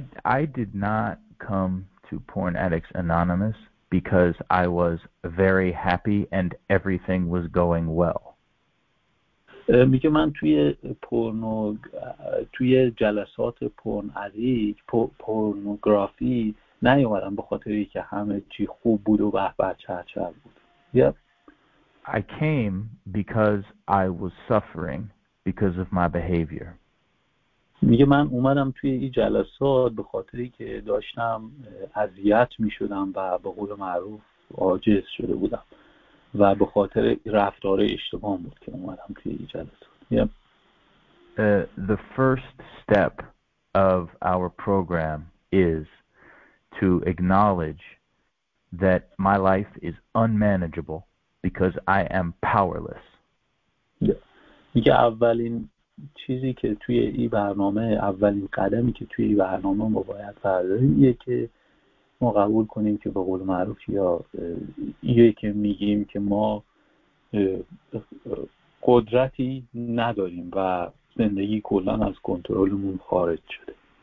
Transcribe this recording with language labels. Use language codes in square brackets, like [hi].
[en] I did not come to Porn Addicts Anonymous because I was very happy and everything was going well. [fa] میگه من توی پورنو توی جلسات پورن ادیک پورنوگرافی نیومدم به خاطر اینکه همه چی خوب بود و به به چرچر بود. [en] Yep. I came because I was suffering because of my behavior. [fa] میگه من اومدم توی این جلسات به خاطر اینکه داشتم اذیت می‌شدم و به قول معروف عاجز شده بودم و به خاطر رفتار اشتباهم بود که اومدم توی این جلسات. [en] Yep. The first step of our program is to acknowledge that my life is unmanageable because I am powerless. [fa] میگه اولین چیزی که توی این برنامه اولین قدمی که توی این برنامه ما باید برداریم اینه که ما قبول کنیم که به قول معروف یا اینه که میگیم که ما قدرتی نداریم و زندگی کلان از کنترلمون خارج شده.